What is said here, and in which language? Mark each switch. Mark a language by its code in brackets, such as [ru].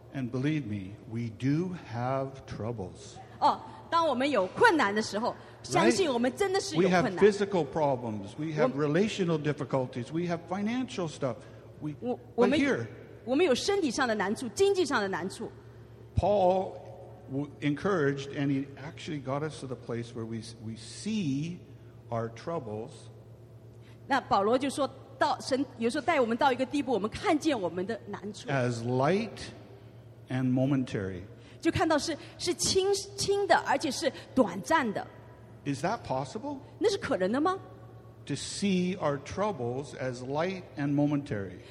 [en] And believe me, we do have troubles. [zh] 哦，当我们有困难的时候，相信我们真的是有困难。 [en] We have physical problems. We have relational difficulties. We have financial stuff. [zh] We 有身体上的难处，经济上的难处。 [en] Paul encouraged, and he actually got us to the place where we see our troubles. [zh] 那保罗就说。到神有时候带我们到一个地步，我们看见我们的难处。 [en] As light and momentary， [zh] 就看到是轻轻的，而且是短暂的。 [en] Is that possible？ [zh] 那是可能的吗 [en] ？To see our troubles as light and momentary，